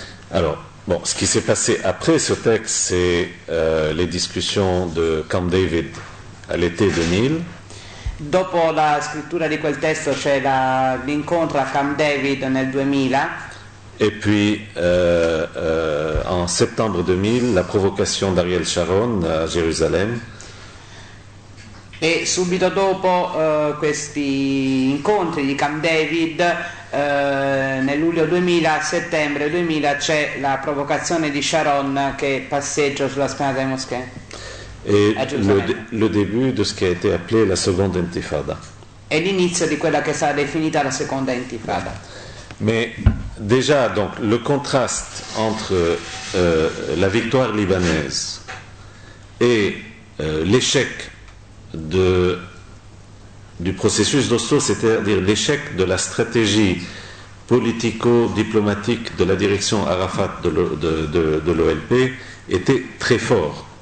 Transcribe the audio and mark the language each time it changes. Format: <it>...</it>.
<fr>Allora, bon, ce qui s'est passé après ce texte, c'est les discussions de Camp David. All'été 2000.</fr> <it>Dopo la scrittura di quel testo c'è l'incontro a Camp David nel 2000. E poi</it> <fr>en</fr> <it>settembre 2000 la provocazione di Ariel Sharon a Gerusalemme. E subito dopo questi incontri di Camp David, nel luglio 2000, a settembre 2000 c'è la provocazione di Sharon che passeggia sulla spianata delle moschee.</it> <fr>Et le début de ce qui a été appelé la seconde intifada.</fr> <it>Et l'inizio di quella che sarà definita la seconda intifada.</it> <fr>Mais déjà, donc, le contraste entre la victoire libanaise et l'échec du processus d'Oslo, c'est-à-dire l'échec de la stratégie politico-diplomatique de la direction Arafat de l'OLP, était très fort.</fr>